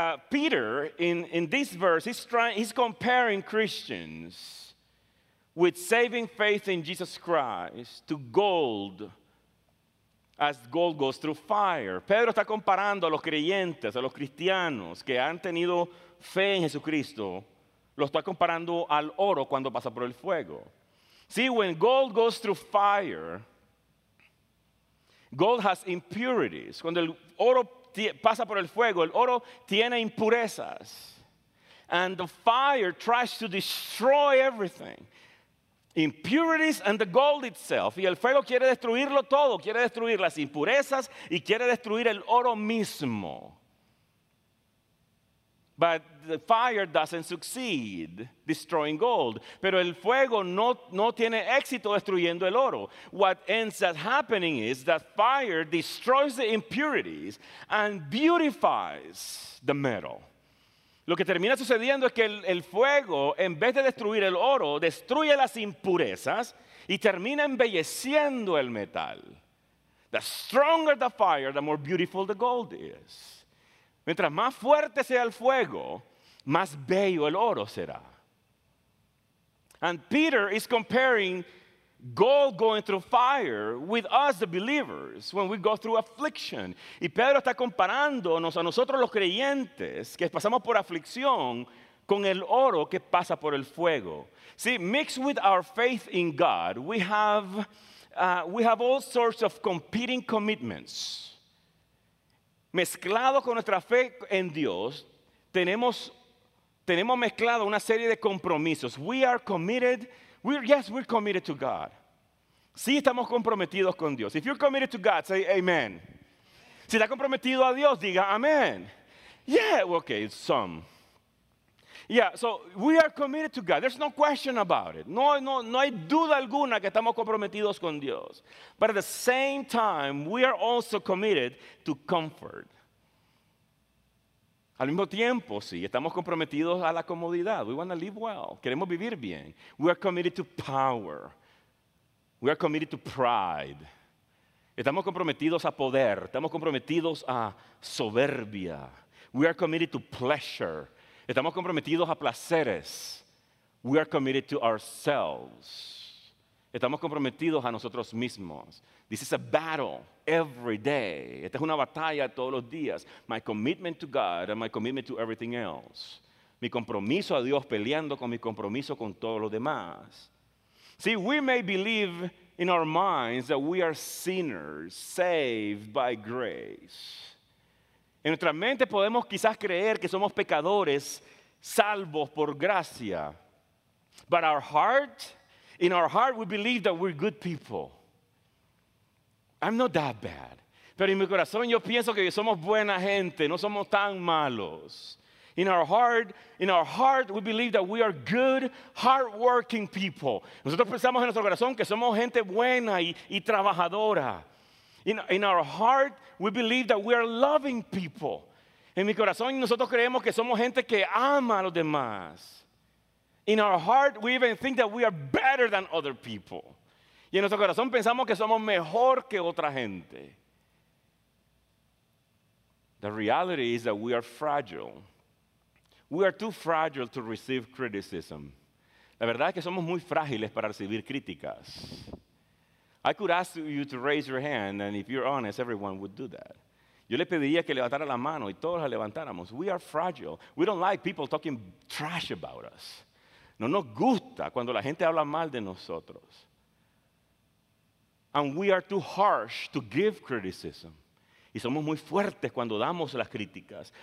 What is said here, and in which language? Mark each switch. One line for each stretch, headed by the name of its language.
English: Peter in this verse, he's comparing Christians with saving faith in Jesus Christ to gold, as gold goes through fire.
Spanish: Pedro está comparando a los creyentes, a los cristianos que han tenido fe en Jesucristo, lo está comparando al oro cuando pasa por el fuego.
English: See, when gold goes through fire, gold has impurities.
Spanish: Cuando el oro pasa por el fuego, el oro tiene impurezas.
English: And the fire tries to destroy everything. Impurities and the gold itself.
Spanish: Y el fuego quiere destruirlo todo, quiere destruir las impurezas y quiere destruir el oro mismo.
English: But the fire doesn't succeed destroying gold.
Spanish: Pero el fuego no tiene éxito destruyendo el oro.
English: What ends up happening is that fire destroys the impurities and beautifies the metal.
Spanish: Lo que termina sucediendo es que el fuego, en vez de destruir el oro, destruye las impurezas y termina embelleciendo el metal.
English: The stronger the fire, the more beautiful the gold is.
Spanish: Mientras más fuerte sea el fuego, más bello el oro será.
English: And Peter is comparing gold going through fire with us, the believers, when we go through affliction.
Spanish: Y Pedro está comparándonos a nosotros los creyentes que pasamos por aflicción con el oro que pasa por el fuego.
English: See, mixed with our faith in God, we have all sorts of competing commitments.
Spanish: Mezclado con nuestra fe en Dios, tenemos mezclado una serie de compromisos.
English: We are committed. We're committed to God.
Spanish: Sí, estamos comprometidos con Dios.
English: If you're committed to God, say amen.
Spanish: Si está comprometido a Dios, diga amen.
English: Yeah, okay, some. Yeah, so we are committed to God. There's no question about it.
Spanish: No hay duda alguna que estamos comprometidos con Dios.
English: But at the same time, we are also committed to comfort.
Spanish: Al mismo tiempo, sí, estamos comprometidos a la comodidad.
English: We want to live well.
Spanish: Queremos vivir bien.
English: We are committed to power. We are committed to pride.
Spanish: Estamos comprometidos a poder. Estamos comprometidos a soberbia.
English: We are committed to pleasure.
Spanish: Estamos comprometidos a placeres.
English: We are committed to ourselves.
Spanish: Estamos comprometidos a nosotros mismos.
English: This is a battle every day.
Spanish: Esta es una batalla todos los días.
English: My commitment to God and my commitment to everything else.
Spanish: Mi compromiso a Dios peleando con mi compromiso con todo lo demás.
English: See, we may believe in our minds that we are sinners saved by grace.
Spanish: En nuestra mente podemos quizás creer que somos pecadores salvos por gracia.
English: But our heart, in our heart we believe that we're good people. I'm not that bad.
Spanish: Pero en mi corazón yo pienso que somos buena gente, no somos tan malos.
English: In our heart we believe that we are good, hardworking people.
Spanish: Nosotros pensamos en nuestro corazón que somos gente buena y trabajadora.
English: In our heart, we believe that we are loving people.
Spanish: En mi corazón, nosotros creemos que somos gente que ama a los demás.
English: In our heart, we even think that we are better than other people.
Spanish: Y en nuestro corazón, pensamos que somos mejor que otra gente.
English: The reality is that we are fragile. We are too fragile to receive criticism.
Spanish: La verdad es que somos muy frágiles para recibir críticas.
English: I could ask you to raise your hand, and if you're honest, everyone would do that.
Spanish: Yo le pediría que levantara la mano y todos la levantáramos.
English: We are fragile. We don't like people talking trash about us.
Spanish: No nos gusta cuando la gente habla mal de nosotros.
English: And we are too harsh to give criticism.
Spanish: Y somos muy fuertes cuando damos las críticas.